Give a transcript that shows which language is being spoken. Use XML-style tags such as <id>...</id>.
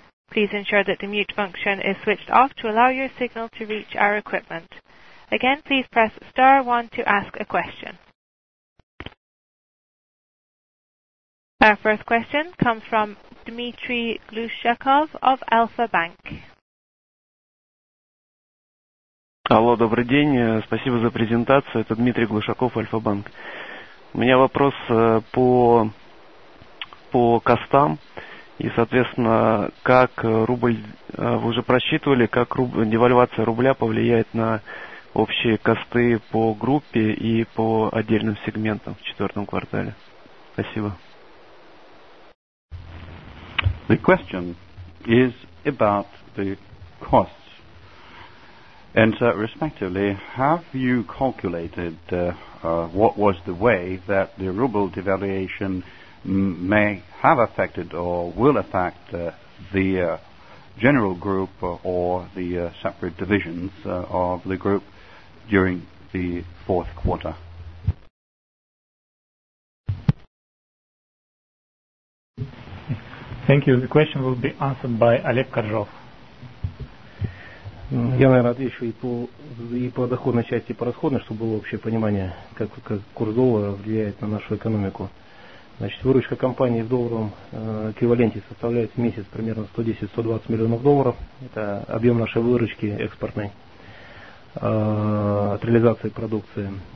<en>Please ensure that the mute function is switched off to allow your signal to reach our equipment. Again, please press star 1 to ask a question. Our first question comes from Dmitry Glushakov of Alpha Bank.</en> <ru>Алло, добрый день. Спасибо за презентацию. Это Дмитрий Глушаков, Alpha Bank. У меня вопрос по костам и, соответственно, как рубль, вы уже просчитывали, как девальвация рубля повлияет на общие косты по группе и по отдельным сегментам в четвертом квартале. Спасибо.</ru> <en>The question is about the costs. And so, respectively, have you calculated what was the way that the ruble devaluation may have affected or will affect the general group or the separate divisions of the group during the fourth quarter? Thank you. The question will be answered by Oleg Koržov.</en> <ru>Я, наверное, отвечу и по доходной части, и по расходной, чтобы было общее понимание, как курс доллара влияет на нашу экономику. Значит, выручка компании в долларовом эквиваленте составляет в месяц примерно 110-120 миллионов долларов. Это объем нашей выручки экспортной от реализации продукции.</ru>